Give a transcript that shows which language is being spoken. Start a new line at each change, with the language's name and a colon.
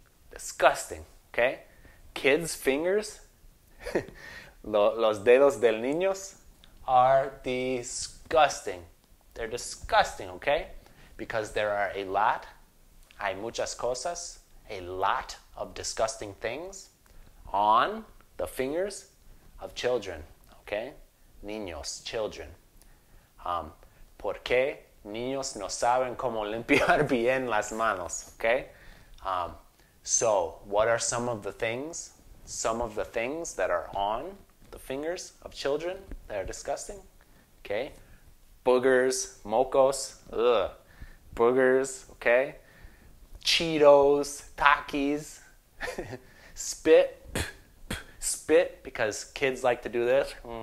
English: Disgusting, okay? Kids' fingers,
Spanish: los dedos del niños,
English: are disgusting. They're disgusting, okay? Because there are a lot,
Spanish: hay muchas cosas,
English: a lot of disgusting things on the fingers of children, okay?
Spanish: Niños,
English: children.
Spanish: ¿Por qué niños no saben cómo limpiar bien las manos?
English: Okay? So, what are some of the things that are on the fingers of children that are disgusting? Okay? Boogers,
Spanish: mocos,
English: ugh. Boogers, okay? Cheetos, Takis, spit, because kids like to do this.